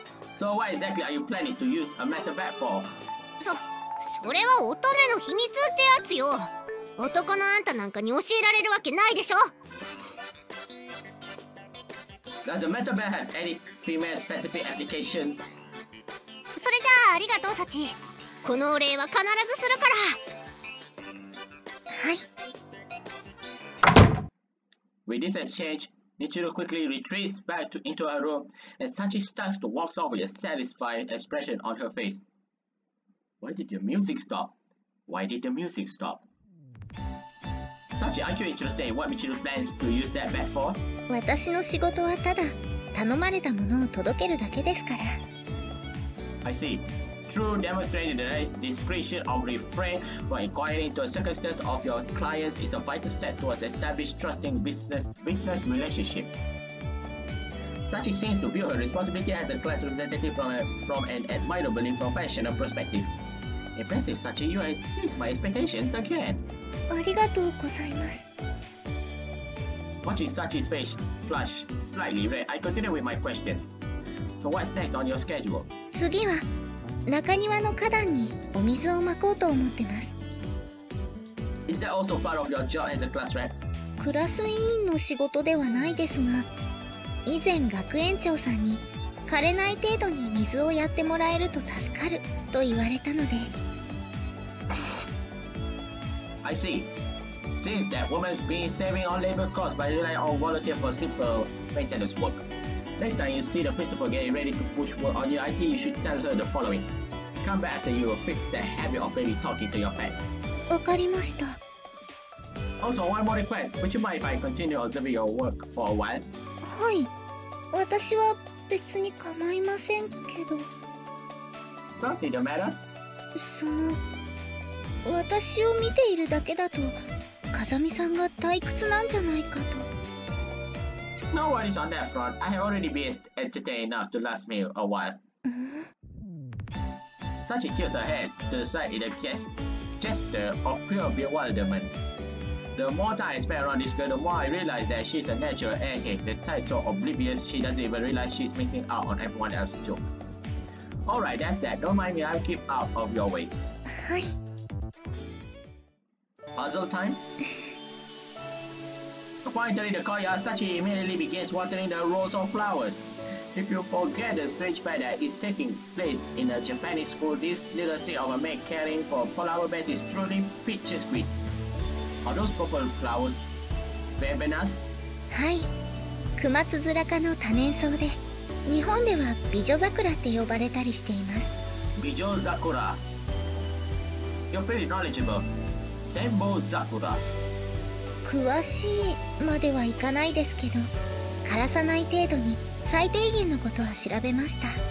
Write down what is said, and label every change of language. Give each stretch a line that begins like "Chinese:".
English: So what exactly are you planning to use a metal bat for?
Japanese: それは乙女の秘密ってやつよ。男のあんたなんかに教えられるわけないでしょ。
English: Does a metal bat have any female specific applications?
Japanese: それじゃあありがとう、サチ。このお礼は必ずするから。はい。
English: With this exchange, Nichiro quickly retreats back to into her room, and Sachi starts to walk off with a satisfied expression on her face. Why did the music stop? Why did the music stop? Sachi, aren't you interested in what Nichiro plans to use that bat for?
Japanese: 私の仕事はただ頼まれたものを届けるだけですから。
English: I see. True demonstrated the right discretion of refrain when inquiring into the circumstances of your clients is a vital step towards establishing trusting business relationships. Sachi seems to view her responsibility as a class representative from an admirably professional perspective. Impressive, Sachi, you have exceeded my expectations again.
Japanese: ありがとうございます。
English: Watching Sachi's face flush slightly red, I continue with my questions. So what's next on your schedule?
Japanese: 次は中庭の花壇にお水をまこうと思ってます。
English: Is that also part of your job as a class rep?
Japanese: クラス委員の仕事ではないですが、以前学園長さんに枯れない程度に水をやってもらえると助かると言われたので。
English: I see. Since that woman's been saving on labor costs by relying on volunteer for simple maintenance workNext time you see the principal getting ready to push work on your IT, you should tell her the following. Come back after you fix the habit of baby talking to your pet.
Japanese: わかりました。
English: Also, one more request. Would you mind if I continue observing your work for a while?
Japanese: はい。私は別に構いませんけど。
English: Nothing the matter?
Japanese: その、私を見ているだけだと、風見さんが退屈なんじゃないかと。
English: No worries on that front. I have already been entertained enough to last me a while. Sachi tilts her head to the side in a gesture of pure bewilderment. The more time I spend around this girl, the more I realize that she's a natural airhead, the type so oblivious she doesn't even realize she's missing out on everyone else's jokes. Alright, that's that. Don't mind me, I'll keep out of your way. Hi. Puzzle time? Upon entering the courtyard, Sachi immediately begins watering the rows of flowers. If you forget the strange fact that is taking place in a Japanese school, this little scene of a maid caring for flower beds is truly picturesque. Are those purple flowers verbenas?
Japanese: はい、クマツヅラ科の多年草で、日本では美女桜って呼ばれたりしています。
English: 美女桜。You're pretty knowledgeable.
Japanese: Senbo Sakura. 詳しいまではいかないですけど、枯らさない程度に最低限のことは調べました。